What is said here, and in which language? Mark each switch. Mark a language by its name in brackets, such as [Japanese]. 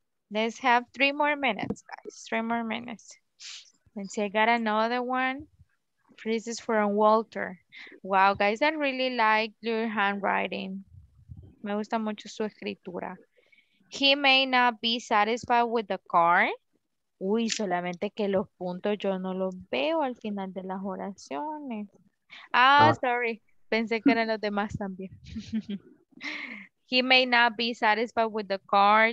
[English] Let's have 3 more minutes, guys. 3 more minutes. Let's see, I got another one. This is from Walter. Wow, guys, I really like your handwriting. [Spanish] Me gusta mucho su escritura. [English] He may not be satisfied with the car. [Spanish] Uy, solamente que los puntos yo no los veo al final de las oraciones. Ah, [English] sorry. [Spanish] Pensé que eran los demás también. [English] He may not be satisfied with the car.